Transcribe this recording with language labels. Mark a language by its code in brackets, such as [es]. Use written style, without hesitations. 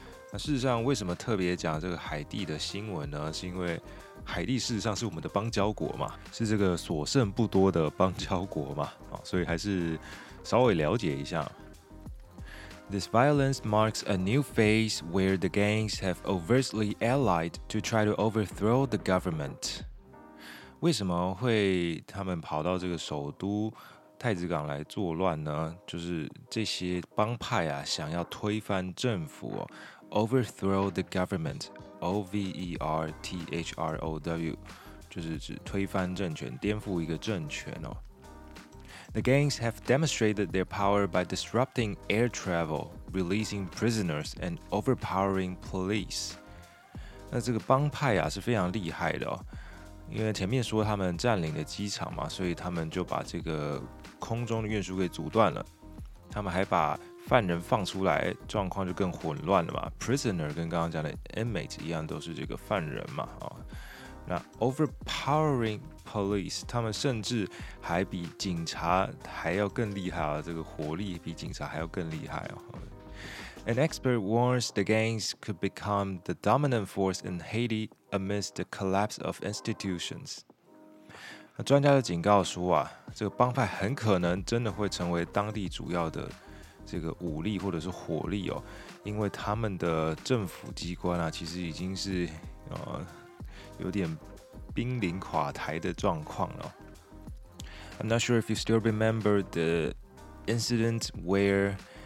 [zh] 那事实上，为什么特别讲这个海地的新闻呢？是因为海地事实上是我们的邦交国嘛，是这个所剩不多的邦交国嘛，所以还是稍微了解一下。 [en] This violence marks a new phase where the gangs have overtly allied to try to overthrow the government. [zh] 为什么会他们跑到这个首都太子港来作乱呢？就是这些帮派啊，想要推翻政府、， [en] overthrow the government， [zh] O-V-E-R-T-H-R-O-W， 就是指推翻政权，颠覆一个政权哦。 [en] The gangs have demonstrated their power by disrupting air travel, releasing prisoners, and overpowering police。 [zh] 那这个帮派啊是非常厉害的哦。因为前面说他们占领了机场嘛，所以他们就把这个空中的运输给阻断了。他们还把犯人放出来，状况就更混乱了嘛。 Prisoner 跟刚刚讲的 inmate 一样，都是这个犯人嘛。那 [en] overpowering police， [zh] 他们甚至还比警察还要更厉害啊，这个火力比警察还要更厉害啊。 [en] An expert warns the gangs could become the dominant force in Haiti amidst the collapse of institutions. [zh] 专家的警告说啊，这个帮派很可能真的会成为当地主要的这个武力或者是火力哦，因为他们的政府机关啊，其实已经是有点濒临垮台的状况了。 [en] I'm not sure if you still remember the incident where.